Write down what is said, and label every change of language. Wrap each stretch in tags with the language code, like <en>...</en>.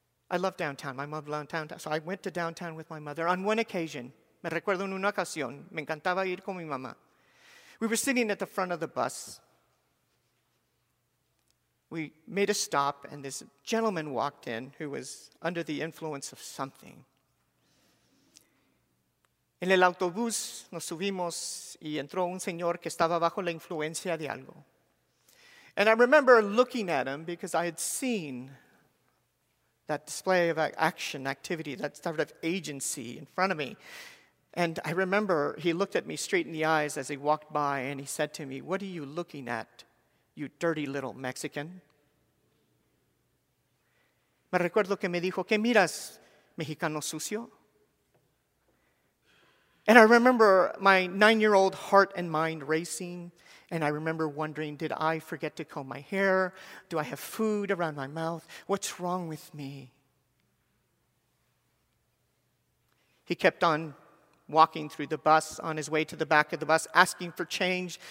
<en>I love downtown. My mom loved downtown. So I went to downtown with my mother on one occasion.</en> <es>Me recuerdo en una ocasión. Me encantaba ir con mi mamá.</es> <en>We were sitting at the front of the bus. We made a stop, and this gentleman walked in who was under the influence of something.</en> <es>En el autobús nos subimos y entró un señor que estaba bajo la influencia de algo.</es> <en>And I remember looking at him because I had seen that display of action, activity, that sort of agency in front of me. And I remember he looked at me straight in the eyes as he walked by and he said to me, "What are you looking at, you dirty little Mexican?"</en> <es>Me recuerdo que me dijo, "¿Qué miras, mexicano sucio?"</es> <en>And I remember my 9-year-old heart and mind racing. And I remember wondering, did I forget to comb my hair? Do I have food around my mouth? What's wrong with me? He kept on walking through the bus on his way to the back of the bus, asking for change.</en>